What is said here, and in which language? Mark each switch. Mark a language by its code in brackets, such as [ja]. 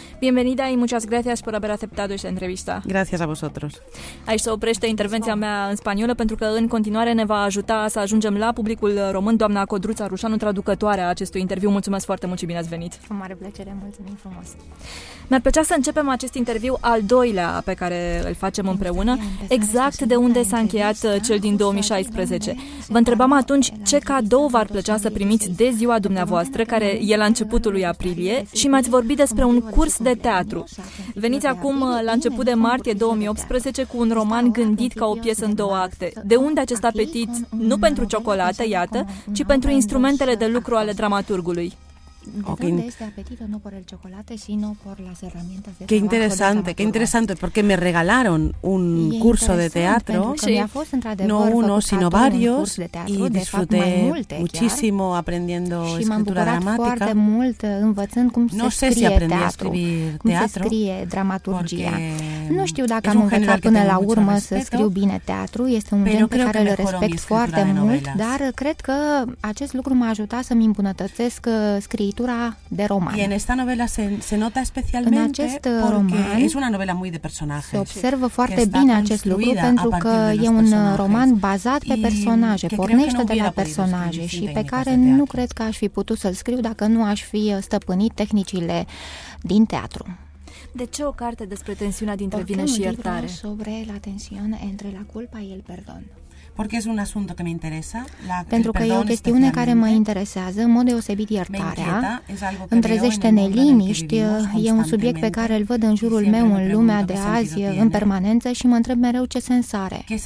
[es] Bienvenida y muchas gracias por haber aceptado esta entrevista. Gracias a vosotros. [ro] Aici se oprește intervenția mea în spaniolă, pentru că în continuare ne va ajuta să ajungem la publicul român doamna Codruța Rușanu, traducătoare a acestui interviu. Mulțumesc foarte mult și bine ați venit. Cu mare plăcere, mulțumim frumos. Mi-ar plăcea să începem acest interviu, al doilea pe care îl facem împreună, exact de unde s-a încheiat cel din 2016. Vă întrebam atunci ce cadou v-ar plăcea să primiți de ziua dumneavoastră, care e la începutul lui aprilie, și mi-ați vorbit despre un curs de teatru. Veniți acum la început de martie 2018 cu un roman gândit ca o piesă în două acte. De unde acest apetit, nu pentru ciocolată, iată, ci pentru instrumentele de lucru ale dramaturgului? [es] Qué interesante, qué interesante, porque me regalaron un curso de teatro, no uno, sino varios, y disfruté muchísimo aprendiendo escritura dramática. No sé si aprendí a escribir teatro, porque es un género que tengo mucho respeto, pero creo que mejoró mi escritura de novela. [ro] Dar, cred că acest lucru m-a ajutat să-mi îmbunătățesc scriitura de roman. [es] Y en esta novela se nota especialmente porque [ro] roman, [es] es una novela muy de personajes. [ro] Se observă foarte bine acest lucru pentru că e un roman bazat pe personaje, pornește de la personaje și pe care nu cred că aș fi putut să-l scriu dacă nu aș fi stăpânit tehnicile din teatru. De ce o carte despre tensiunea dintre vină și iertare? [es] Sobre la tensión entre la culpa y el perdón. Porque es un asunto que me interesa, [ro] pentru că e o chestiune care mă interesează, în mod deosebit iertarea, îmi trezește neliniști, e un subiect pe care îl văd în jurul meu, în lumea de azi, în permanență, și mă întreb mereu ce sens are.